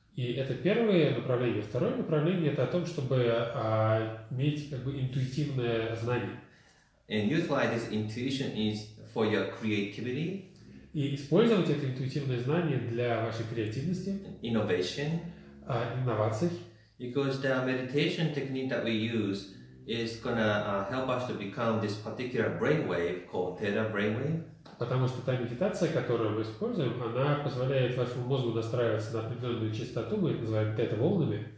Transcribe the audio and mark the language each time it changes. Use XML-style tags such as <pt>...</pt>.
<ru>И это первое направление. Второе направление — это о том, чтобы иметь как бы интуитивное знание.</ru> <en>And utilize this intuition is for your creativity.</en> <ru>И использовать это интуитивное знание для вашей креативности.</ru> <en>Innovation.</en> <ru>Инноваций.</ru> <en>Because the meditation technique that we use is gonna help us to become this particular brainwave called theta brainwave.</en> <ru>Потому что та медитация, которую мы используем, она позволяет вашему мозгу настраиваться на определенную частоту, мы это называем тета-волнами.</ru>